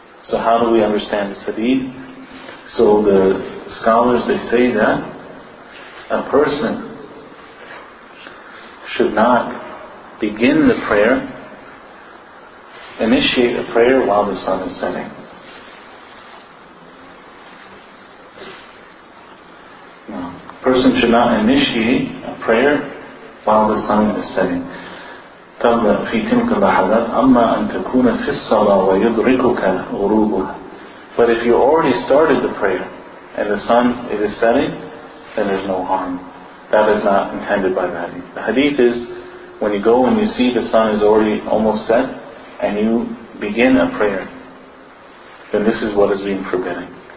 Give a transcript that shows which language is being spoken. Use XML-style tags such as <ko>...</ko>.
<en>So how do we understand this hadith? So the scholars, they say that a person should not begin the prayer, initiate a prayer while the sun is setting. A person should not initiate a prayer while the sun is setting.</en> <ar>تبدأ في تلك اللحظات أما أن تكون في الصلاة ويدركك غروبها.</ar> <en>But if you already started the prayer and the sun it is setting, then there's no harm. That is not intended by the hadith. The hadith is when you go and you see the sun is already almost set and you begin a prayer, then this is what is being forbidden.</en>